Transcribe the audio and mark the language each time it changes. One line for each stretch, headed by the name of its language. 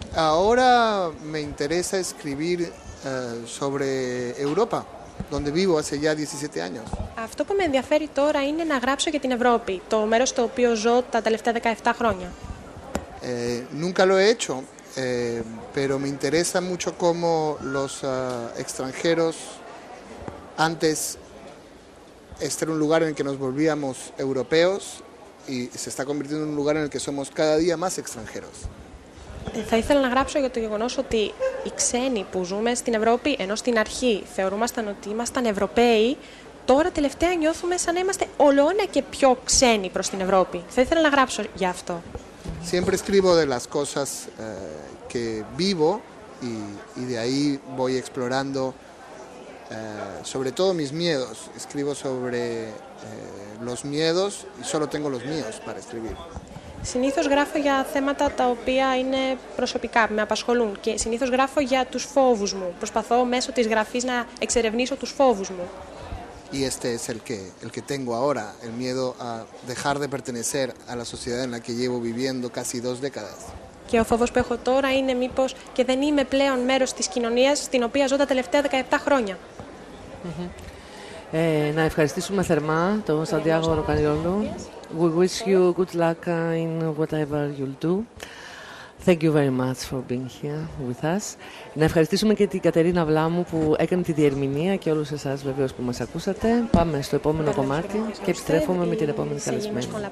Spanish: Ahora me interesa escribir sobre Europa, donde vivo hace ya 17 años.
Greek: Αυτό που με ενδιαφέρει τώρα είναι να γράψω για την Ευρώπη, το μέρος στο οποίο ζω τα τελευταία 17 χρόνια.
Spanish: Nunca lo he hecho, pero me interesa mucho cómo los extranjeros antes este era un lugar en el que nos volvíamos europeos y se está convirtiendo en un lugar en el que somos cada día más extranjeros.
Greek: Θα ήθελα να γράψω για το γεγονός ότι οι ξένοι που ζούμε στην Ευρώπη, ενώ στην αρχή θεωρούμασταν ότι ήμασταν Ευρωπαίοι, τώρα τελευταία νιώθουμε σαν να είμαστε ολοένα και πιο ξένοι προς την Ευρώπη. Θα ήθελα να γράψω γι' αυτό.
Spanish: Siempre escribo de las cosas que vivo y de ahí voy explorando sobre todo mis miedos. Escribo sobre los miedos y solo tengo los míos para escribir.
Greek: Συνήθως γράφω για θέματα τα οποία είναι προσωπικά, με απασχολούν. Και συνήθως γράφω για τους φόβους μου. Προσπαθώ μέσω της γραφής να εξερευνήσω τους φόβους μου.
Spanish: Y este es el que tengo ahora, el miedo a dejar de pertenecer a la sociedad en la que llevo viviendo casi dos décadas.
Greek: Και ο φόβος που έχω τώρα είναι μήπως και δεν είμαι πλέον μέρος της κοινωνίας στην οποία ζω τα τελευταία 17 χρόνια. Να ευχαριστήσουμε θερμά τον Σαντιάγο Ροκαλιόλου.
English: We wish you good luck in whatever you'll do. Thank you very much for being here with us.
Greek: Να ευχαριστήσουμε και την Κατερίνα Βλάμου που έκανε τη διερμηνία και όλους εσάς βεβαίως που μας ακούσατε. Πάμε στο επόμενο κομμάτι και επιστρέφουμε με την επόμενη καλεσμένη.